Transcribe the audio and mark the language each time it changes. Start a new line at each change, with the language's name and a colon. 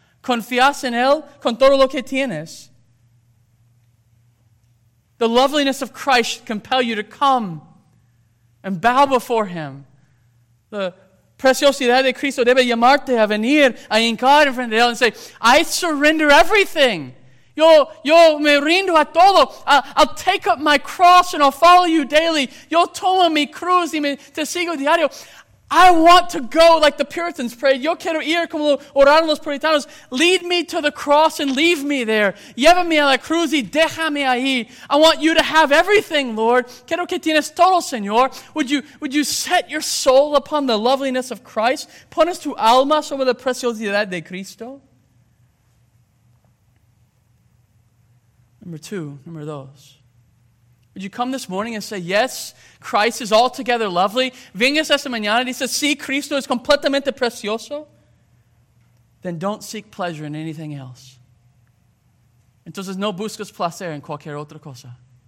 Spanish: Confías en él con todo lo que tienes.
English: The loveliness of Christ should compel you to come and bow before him.
Spanish: The preciosidad de Cristo debe llamarte a venir a hincar en frente de él
English: and say, I surrender everything.
Spanish: Yo me rindo a todo.
English: I'll take up my cross and I'll follow you daily.
Spanish: Yo tomo mi cruz y me te sigo diario.
English: I want to go like the Puritans prayed.
Spanish: Yo quiero ir como oraron los puritanos.
English: Lead me to the cross and leave me there.
Spanish: Llévame a la cruz y déjame ahí.
English: I want you to have everything, Lord.
Spanish: Quiero que tienes todo, Señor.
English: Would you set your soul upon the loveliness of Christ?
Spanish: Pones tu alma sobre la preciosidad de Cristo?
English: Number dos. Would you come this morning and say, yes, Christ is altogether lovely.
Spanish: Vengas esta mañana y dices, sí, Cristo es completamente precioso.
English: Then don't seek pleasure in anything else.
Spanish: Entonces no busques placer en cualquier otra cosa.